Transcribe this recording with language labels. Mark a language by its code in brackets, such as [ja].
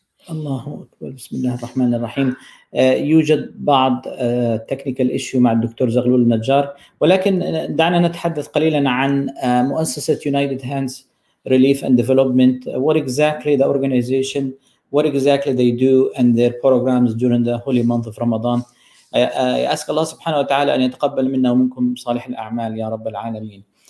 [ar] الله أكبر. بسم الله الرحمن الرحيم. يوجد بعض [en] technical issue [ar] مع الدكتور زغلول النجار ولكن دعنا نتحدث قليلا عن مؤسسة United Hands Relief and Development. [en] What exactly the organization, what exactly they do and their programs during the holy month of Ramadan. I ask Allah subhanahu wa ta'ala [ar] أن يتقبل منا ومنكم صالح الأعمال يا رب العالمين.